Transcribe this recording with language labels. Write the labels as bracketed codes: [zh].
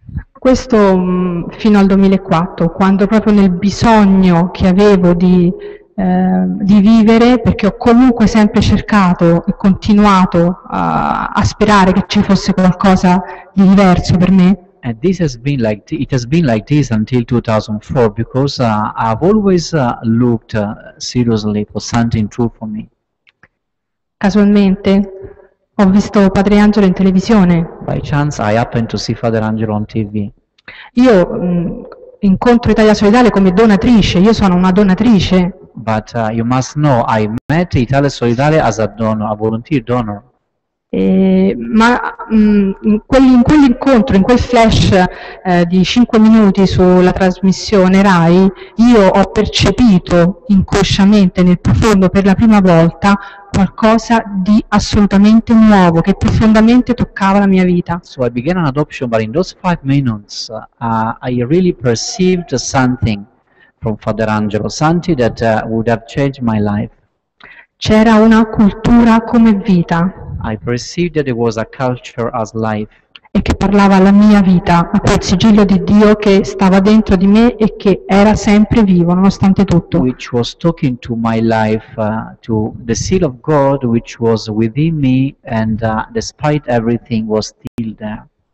[it] Questo fino al 2004, quando proprio nel bisogno che avevo di vivere, perché ho comunque sempre cercato e continuato a sperare che ci fosse qualcosa di diverso per me. [en] And this has been like it has been like this until 2004, because I've always looked seriously for something true for me. [it] Casualmente ho visto Padre Angelo in televisione. [en] By chance I happened to see Father Angelo on TV. [it] Io incontro Italia Solidale come donatrice, io sono una donatrice. [en] But you must know I met Italia Solidale as a donor, a volunteer donor. [it] In quell'incontro, in quel flash di 5 minuti sulla trasmissione Rai, io ho percepito inconsciamente, nel profondo, per la prima volta, qualcosa di assolutamente nuovo che profondamente toccava la mia vita. [en] So I began an adoption, but in those 5 minutes I really perceived something from Father Angelo, something that would have changed my life. [it] C'era una cultura come vita. [en] I perceived that it was a culture as life. [it] E che parlava la mia vita, a quel sigillo di Dio che stava dentro di me e che era sempre vivo, nonostante tutto. [en] Which was talking to my life, to the seal of God which was within me, and despite everything was still there.